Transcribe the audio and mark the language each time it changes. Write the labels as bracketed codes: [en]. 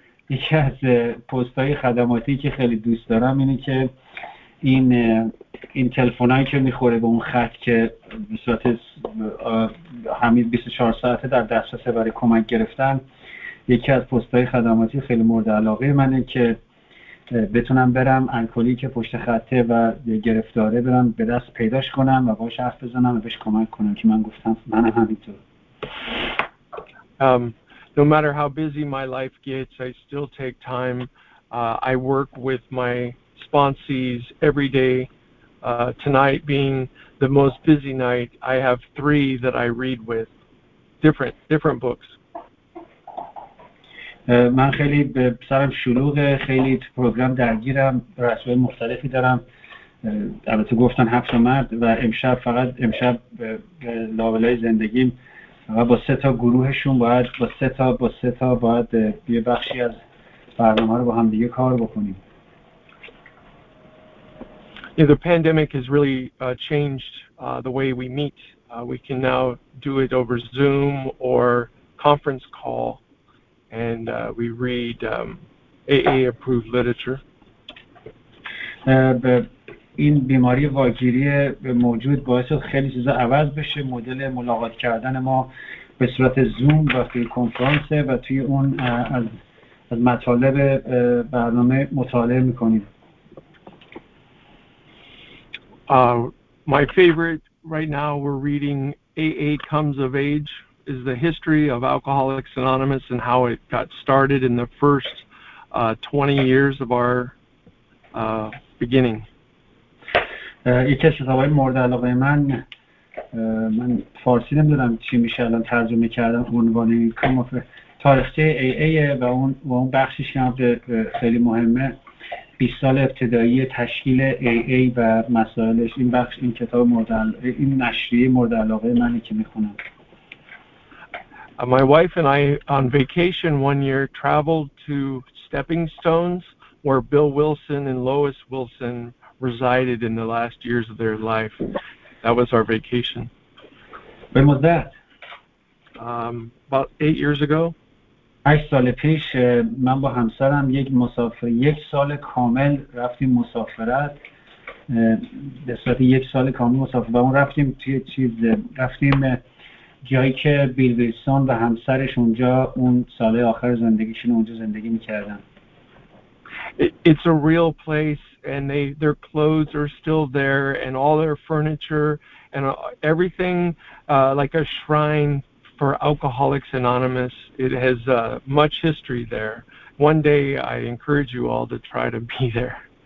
[fa] یکی از پست‌های خدماتی که خیلی دوست دارم اینه که این تلفنایی که می‌خوره به اون خط که به صورت همین 24 ساعته در دسترس برای کمک گرفتن، یکی از پست‌های خدماتی خیلی مورد علاقه منه که بتونم برم الکلی که پشت خطه و گرفتاره، برم به دست پیداش کنم و باهاش حرف بزنم و بهش کمک کنم، که من گفتم منم همینطور. [en] No matter how busy my life gets, I still take time. I work with my sponsees every day. Tonight being the most busy night, I have three that I read with, different books. [fa] من خیلی به سرم شلوغه، خیلی تو پروگرام درگیرم، رسوم مختلفی دارم. البته گفتن هفت مرد و امشب لابلای زندگیم و با سه تا گروهشون باید با سه تا باید یه بخشی از برنامه رو با هم دیگه کار بکنیم. [en] Yeah, the pandemic has really changed the way we meet. We can now do it over Zoom or conference call, and we read AA approved literature. [fa] این بیماری واگیری موجود باعث خیلی چیزا عوض بشه. مدل ملاقات کردن ما به صورت زوم و توی کنفرانس و توی اون از مطالب برنامه مطالعه میکنیم. [en] My favorite right now, we're reading AA Comes of Age, is the history of Alcoholics Anonymous and how it got started in the first 20 years of our beginning. [fa] یکی از کتاب‌های مورد علاقه من فارسی نمی‌دونم چی میشه الان ترجمه کردم، عنوان این کامافه تاریخچه AA و اون بخشش که خیلی مهمه، 20 سال ابتدایی تشکیل AA و مسائلش. این بخش، این کتاب مورد علاقه، این نشریه مورد علاقه منی که می‌خونم. [en] My wife and I on vacation one year traveled to Stepping Stones where Bill Wilson and Lois Wilson resided in the last years of their life. That was our vacation. When was that? About 8 years ago. [fa] 8 سال پیش من با همسرم یک سال کامل رفتیم مسافرت. به صورت یک سال کامل مسافرت. ما رفتیم توی چیز، رفتیم جایی که بیل ویلسون و همسرش اونجا اون سال آخر زندگیشون اونجا زندگی می‌کردن. [en] It's a real place. And their clothes are still there, and all their furniture, and everything, like a shrine for Alcoholics Anonymous. It has much history there. One day, I encourage you all to try to be there.